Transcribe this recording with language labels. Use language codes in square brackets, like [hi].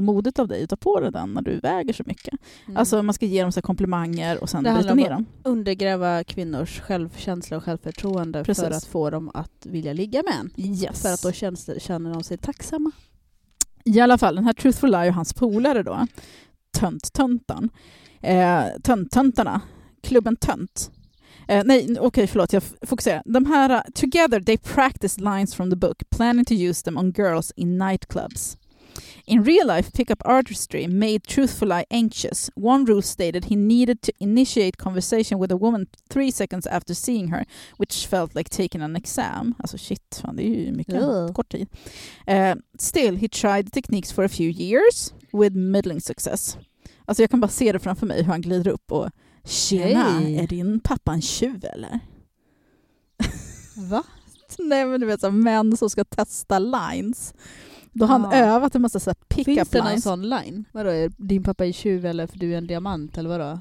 [sv] Vad modigt av dig att ta på dig den när du väger så mycket. Mm. Alltså man ska ge dem så här komplimanger och sen bryta ner dem. Undergräva kvinnors självkänsla och självförtroende. Precis. För att få dem att vilja ligga med en. Yes. För att då känner de sig tacksamma. I alla fall, den här Truthful Lie och hans polare då. Tönt-töntan. Tönt-töntarna. Klubben Tönt. De här, [en] together they practice lines from the book, planning to use them on girls in nightclubs. In real life, pickup artistry made Truthful Lie anxious. One rule stated he needed to initiate conversation with a woman 3 seconds after seeing her, which felt like taking an exam. [sv] Alltså shit, fan, det är ju mycket kort tid. [en] Still, he tried the techniques for a few years with middling success. [sv] Alltså jag kan bara se det framför mig hur han glider upp och... Tjena, hey. Är din pappa en tjuv eller? Va? Nej, men du vet så, män som ska testa lines. Då har han övat en massa pick-up lines. Finns det någon sån line? Vadå, är din pappa en tjuv eller för du är en diamant eller vadå?